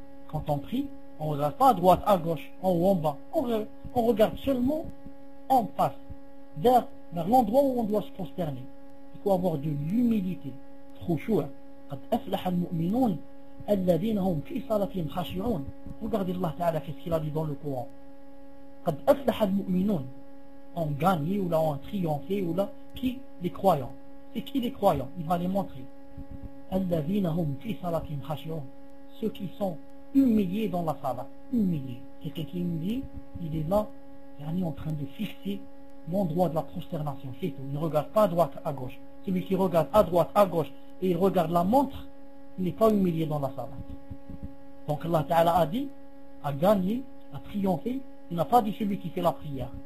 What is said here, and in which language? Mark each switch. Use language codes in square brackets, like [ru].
[fr] Quand on prie, on ne regarde pas à droite, à gauche, en haut, en bas. On regarde seulement en face, vers l'endroit où on doit se prosterner. Il faut avoir de l'humilité. [ar] Khushu'a. قد أفلح المؤمنون الذين هم في صلاتهم خاشعون. [fr] Regardez الله تعالى في ce qu'il a dit dans le Coran. [ar] قد أفلح المؤمنون. [fr] On gagne ou là on triomphe ou là. Qui? Les croyants. C'est qui les croyants? Il va les montrer. [ar] الذين هم في صلاتهم خاشعون. [fr] Ceux qui sont humiliés dans la salat. Humiliés. C'est quelqu'un qui dit, il est là, il est en train de fixer l'endroit de la prosternation. C'est tout. Il ne regarde pas à droite, à gauche. Celui qui regarde à droite, à gauche, et il regarde la montre, n'est pas humilié dans la salat. Donc Allah Ta'ala a dit, a gagné, a triomphé, il n'a pas dit celui qui fait la prière.